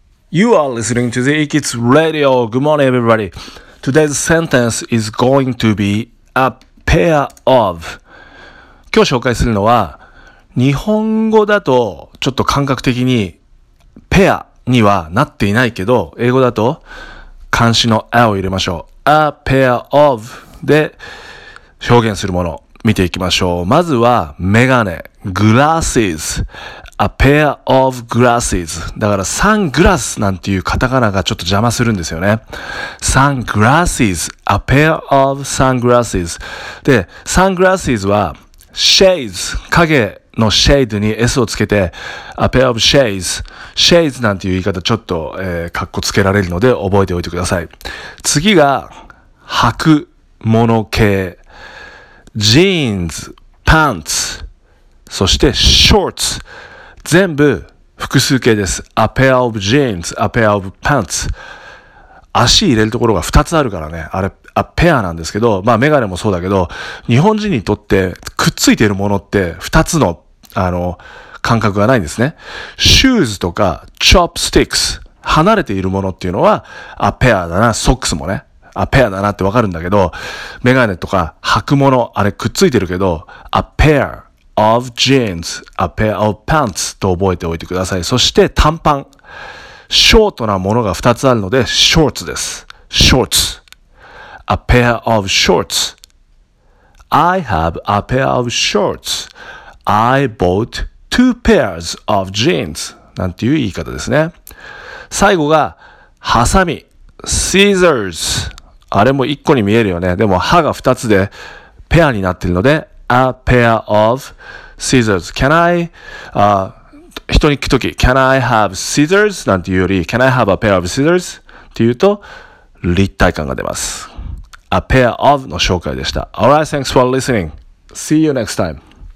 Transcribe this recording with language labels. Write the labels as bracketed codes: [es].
[en] You are listening to the iKids Radio. Good morning, everybody. Today's sentence is going to be a pair of. [ja] 今日紹介するのは、日本語だとちょっと感覚的にペアにはなっていないけど、英語だと冠詞のAを入れましょう。 A pair of で表現するもの見ていきましょう。まずはメガネ、glasses。 [en] A pair of glasses. [ja] だからサングラスなんていうカタカナがちょっと邪魔するんですよね。 [en] サングラス is a pair of sunglasses. [ja] で、サングラス is は shades 影のシェイドに S をつけて a pair of shades. shades なんていう言い方ちょっと、カッコつけられるので覚えておいてください。次が履くもの系 jeans, pants, そして shorts. 全部複数形です。 [en] A pair of jeans, a pair of pants. [ja] 足入れるところが2つあるからね。あれ、a pair なんですけど、まあメガネもそうだけど、日本人にとってくっついているものって2つの、感覚がないんですね。 shoes とか chopsticks。離れているものっていうのは、a pair だな。ソックスもね。 a pair だなってわかるんだけど、メガネとか履くもの、あれくっついてるけど、a pair. [en] of jeans, a pair of pants [ja] と覚えておいてください。そして短パン。ショートなものが2つあるので、ショーツです。ショーツ。 [en] a pair of shorts. I have a pair of shorts. I bought two pairs of jeans. [ja] なんていう言い方ですね。最後が、ハサミ。scissors。あれも1個に見えるよね。でも歯が2つで、ペアになっているので、 [en] A pair of scissors. Can I, [ja] 人に聞くとき、 [en] Can I have scissors? [ja] なんていうより、 [en] Can I have a pair of scissors? [ja] っていうと、立体感が出ます。A pair of の紹介でした。 [en] Alright, thanks for listening. See you next time.